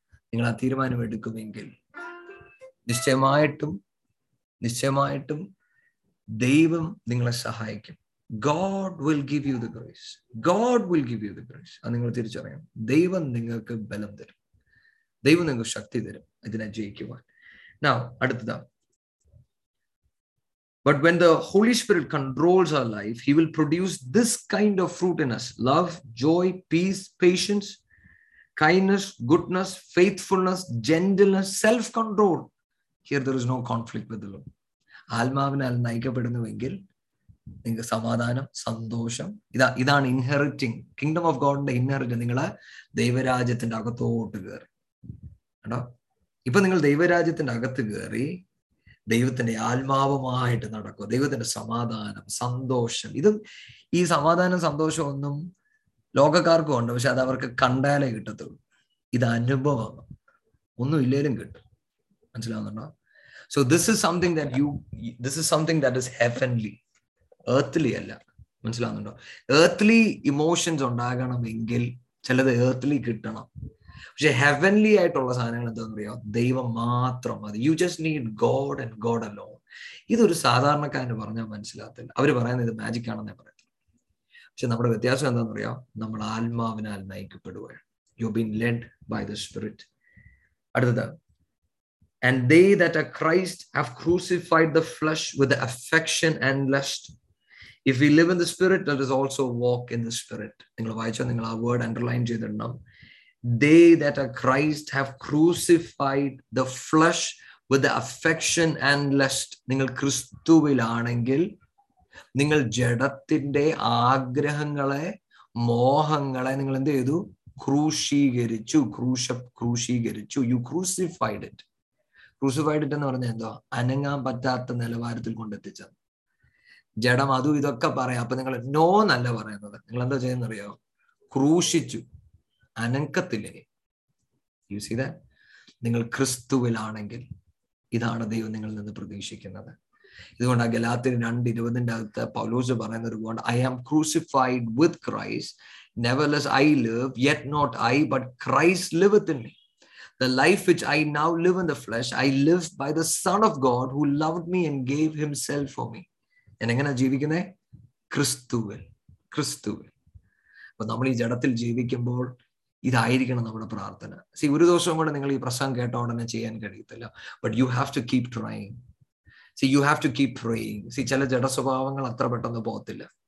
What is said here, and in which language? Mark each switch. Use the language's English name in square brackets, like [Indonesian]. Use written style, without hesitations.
[Malayalam] നിങ്ങൾ ആ തീരുമാനം എടുക്കുമെങ്കിൽ നിശ്ചയമായിട്ടും ദൈവം നിങ്ങളെ സഹായിക്കും. [English] God will give you the grace. God will give you the grace. [Malayalam] And നിങ്ങൾ തിരിച്ചറിയണം, ദൈവം നിങ്ങൾക്ക് ബലം തരും, ദൈവം നിങ്ങൾക്ക് ശക്തി തരും ഇതിനെ ജയിക്കുവാൻ. Now, അടുത്തതാണ്. [English] But when the Holy Spirit controls our life, He will produce this kind of fruit in us. Love, joy, peace, patience, kindness, goodness, faithfulness, gentleness, self-control. Here there is no conflict with the Lord. [Malayalam] ആത്മാവിനാൽ നയിക്കപ്പെടുന്നുവെങ്കിൽ നിങ്ങൾക്ക് സമാധാനം, സന്തോഷം, ഇതാണ് inheriting. Kingdom of ഗോഡിന്റെ inherit. നിങ്ങളെ ദൈവരാജ്യത്തിന്റെ അകത്തോട്ട് കയറി കേട്ടോ. ഇപ്പൊ നിങ്ങൾ ദൈവരാജ്യത്തിന്റെ അകത്ത് കയറി ദൈവത്തിന്റെ ആത്മാവുമായിട്ട് നടക്കുക. ദൈവത്തിന്റെ സമാധാനം, സന്തോഷം, ഇതും ഈ സമാധാനം സന്തോഷം ഒന്നും ലോകക്കാർക്കും ഉണ്ട്, പക്ഷെ അത് അവർക്ക് കണ്ടാലേ കിട്ടത്തുള്ളൂ. ഇത് അനുഭവം ഒന്നും ഇല്ലെങ്കിലും കിട്ടും. മനസ്സിലാവുന്നുണ്ടോ? [English] So this is something that is heavenly. Earthly [Malayalam] അല്ല. മനസ്സിലാവുന്നുണ്ടോ? ഏർത്ത്ലി ഇമോഷൻസ് ഉണ്ടാകണമെങ്കിൽ ചിലത് ഏർത്ത്ലി കിട്ടണം. പക്ഷെ ഹെവൻലി ആയിട്ടുള്ള സാധനങ്ങൾ എന്താണെന്ന് അറിയോ? ദൈവം മാത്രം മതി. [English] You just need God and God alone. [Malayalam] ഇതൊരു സാധാരണക്കാരന് പറഞ്ഞാൽ മനസ്സിലാകത്തില്ല. അവർ പറയുന്നത് ഇത് മാജിക് ആണെന്നേ പറയത്തില്ല. പക്ഷെ നമ്മുടെ വ്യത്യാസം എന്താണെന്ന് അറിയോ? നമ്മൾ ആത്മാവിനാൽ നയിക്കപ്പെടുകയാണ്. [English] You been led by the spirit. [Malayalam] അടുത്തത്, [English] And they that are Christ have crucified the flesh with the affection and lust. If we live in the Spirit, let us also walk in the Spirit. [Malayalam] നിങ്ങളെ വായിച്ചാൽ നിങ്ങൾ ആ word underline ചെയ്തിടണം. [English] They that are Christ have crucified the flesh with the affection and lust. [Malayalam] നിങ്ങൾ ക്രിസ്തുവിലാണെങ്കിൽ നിങ്ങൾ ജഡത്തിന്റെ ആഗ്രഹങ്ങളെ, മോഹങ്ങളെ നിങ്ങൾ എന്ത് ചെയ്തു? ക്രൂശീകരിച്ചു. ക്രൂശീകരിച്ചു. [English] You crucified it. [Malayalam] ക്രൂസിഫൈഡ് എന്ന് പറഞ്ഞാൽ എന്തോ? അനങ്ങാൻ പറ്റാത്ത നിലവാരത്തിൽ കൊണ്ടെത്തിച്ചത്. ജഡം അതും ഇതൊക്കെ പറയാം. അപ്പൊ നിങ്ങൾ നോ എന്നല്ല പറയുന്നത്, നിങ്ങൾ എന്താ ചെയ്യുന്ന അറിയോ? ക്രൂശിച്ചു, അനങ്ങത്തില്ലേ. [English] You see that? [Malayalam] നിങ്ങൾ ക്രിസ്തുവിലാണെങ്കിൽ ഇതാണ് ദൈവം നിങ്ങളിൽ നിന്ന് പ്രതീക്ഷിക്കുന്നത്. ഇതുകൊണ്ട് ആ ഗലാത്തിയ 2:20 അകത്ത് പൗലോസ് പറയുന്ന ഒരു word, [English] I am crucified with Christ, nevertheless I live, yet not I but Christ live in me. the life which I now live in the flesh, I live by the Son of God who loved me and gave himself for me. [Malayalam] ഞാൻ എങ്ങനെയാണ് ജീവിക്കുന്നത്? ക്രിസ്തുവിൽ, ക്രിസ്തുവിൽ. അപ്പൊ നമ്മൾ ഈ ജഡത്തിൽ ജീവിക്കുമ്പോൾ ഇതായിരിക്കണം നമ്മുടെ പ്രാർത്ഥന. സി, ഒരു ദിവസവും കൂടെ നിങ്ങൾ ഈ പ്രസംഗം കേട്ട ഉടനെ ചെയ്യാൻ കഴിയത്തില്ല. [English] But you have to keep trying. See, you have to keep praying. See, [Malayalam] ചില ജഡസ്വഭാവങ്ങൾ അത്ര പെട്ടെന്ന് പോകത്തില്ല.